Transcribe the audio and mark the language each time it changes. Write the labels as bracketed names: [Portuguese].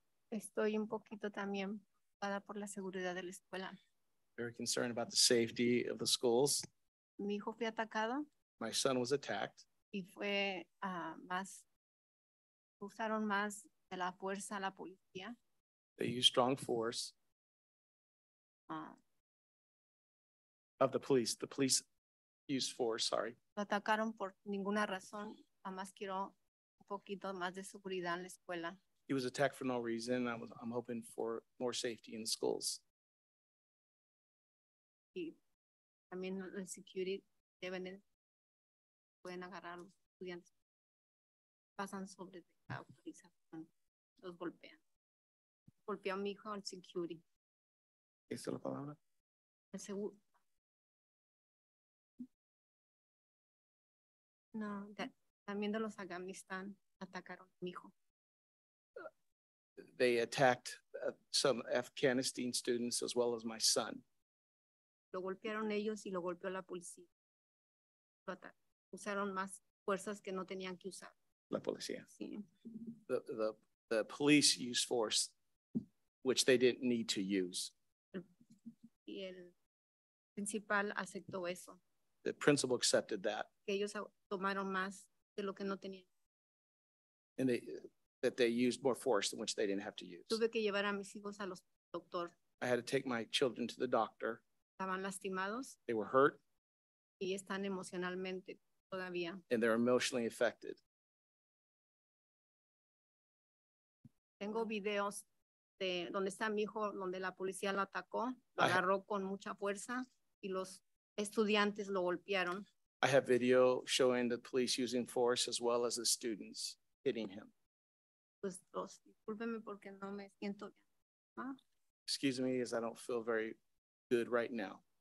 [Spanish] Estoy un poquito también preocupada por la seguridad de la escuela. [English] Very concerned about the safety of the schools. [Spanish] Mi hijo fue atacado. [English] My son was attacked. [Spanish] Y fue más, usaron más de la fuerza la policía. [English] They used strong force. Of the police. The police used force, sorry. [Spanish] No atacaron por ninguna razón. Jamás quiero un poquito más de seguridad en la escuela. [English] He was attacked for no reason. I'm hoping for more safety in the schools. [Spanish] Y también la security deben de, pueden agarrar a los estudiantes. Pasan sobre la autorización. Los golpean. Golpeó a mi hijo al security. ¿Esa es la palabra? El seguro. No, también de los Afghanistan atacaron a mi hijo. [English] They attacked some Afghanistan students as well as my son. [Spanish] Lo golpearon ellos y lo golpeó la policía. Usaron más fuerzas que no tenían que usar. La policía. Sí. [English] The police used force, which they didn't need to use. [Spanish] Y el principal aceptó eso. [English] The principal accepted that. [Spanish] Que ellos tomaron más de lo que no tenían. [English] And they used more force than which they didn't have to use. [Spanish] Tuve que llevar a mis hijos al doctor. [English] I had to take my children to the doctor. [Spanish] Estaban lastimados. [English] They were hurt. [Spanish] Y están emocionalmente todavía. [English] And they're emotionally affected. [Spanish] Tengo videos de donde está mi hijo, donde la policía lo atacó, lo agarró con mucha fuerza y los estudiantes lo golpearon. [English] I have video showing the police using force as well as the students hitting him. Excuse me, as I don't feel very good right now.